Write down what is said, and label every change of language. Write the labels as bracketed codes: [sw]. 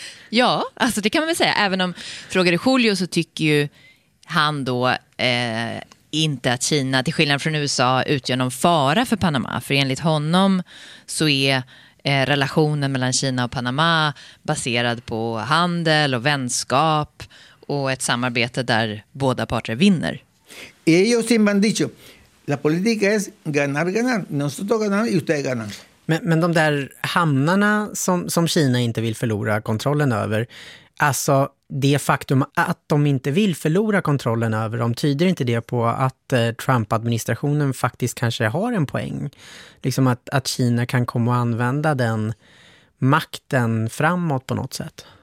[sv] Ja, alltså det kan man väl säga. Även om frågade Julio så tycker ju han då inte att Kina, till skillnad från USA, utgör någon fara för Panama. För enligt honom så är relationen mellan Kina och Panama baserad på handel och vänskap och ett samarbete där båda parter vinner. [es] Ellos siempre han dicho, la política es ganar, ganar. Nosotros ganamos y ustedes ganan. [sv] Men de där hamnarna som Kina inte vill förlora kontrollen över, alltså det faktum att de inte vill förlora kontrollen över dem, tyder inte det på att Trump-administrationen faktiskt kanske har en poäng? Liksom att Kina kan komma och använda den makten framåt på något sätt?